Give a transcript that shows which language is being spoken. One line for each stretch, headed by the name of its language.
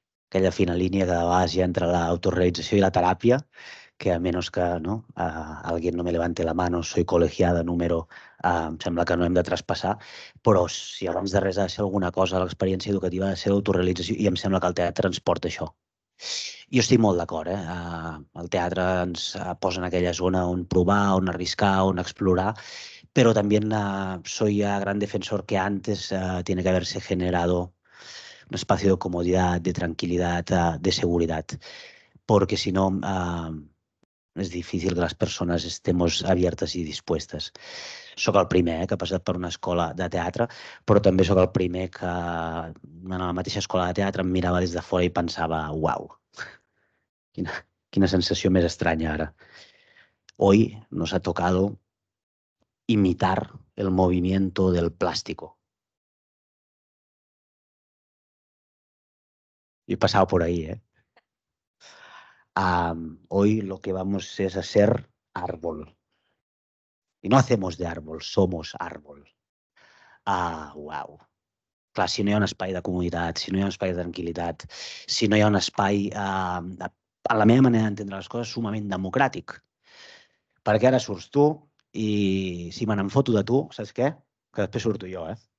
Catalan: Aquella fina línia de base entre l'autorrealització i la teràpia, que
Spanish: a menos que no,
Catalan: algú
Spanish: no me levante la mano, soy colegiada,
Catalan: número, em sembla que no hem de traspassar, però si abans de res ha de ser alguna cosa, l'experiència educativa ha de ser l'autorrealització, i em sembla que el teatre ens porta això. Jo estic molt d'acord, el teatre ens posa en aquella zona on provar, on arriscar, on explorar, però també
Spanish: soy gran defensor que antes tiene que haberse generado un espacio de comodidad, de tranquilidad, de seguridad, porque si no, es difícil que las personas estemos abiertas y dispuestas.
Catalan: Soc el primer que ha passat per una escola de teatre, però també soc el primer que en la mateixa escola de teatre em mirava des de fora i pensava, uau, quina sensació més estranya ara.
Spanish: Hoy nos ha tocado imitar el movimiento del plástico. Y pasado por ahí, ¿eh? Hoy lo que vamos es a ser árbol. Y no hacemos de árbol, somos árbol. Wow.
Catalan: Clar, si no hi ha un espai de comunitat, si no hi ha un espai de tranquil·litat, si no hi ha un espai, a la meva manera d'entendre les coses, sumament democràtic. Perquè ara surts tu i si me n'enfoto de tu, saps què? Que després surto jo, eh?